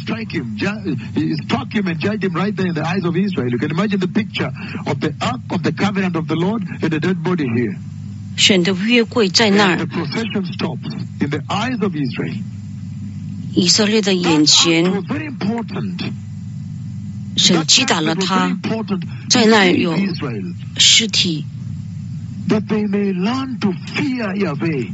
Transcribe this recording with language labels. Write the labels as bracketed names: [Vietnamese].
[English] Struck him and judged him right there in the eyes of Israel. You can imagine the picture of the ark of the covenant of the Lord and the dead body here. [Chinese] 神的约柜在那儿。 [English] The procession stops in the eyes of Israel. [Chinese] 以色列的眼前。 [English] That was very important. [Chinese] 神击打了他，在那儿有尸体。 [English] That they may learn to fear Yahweh.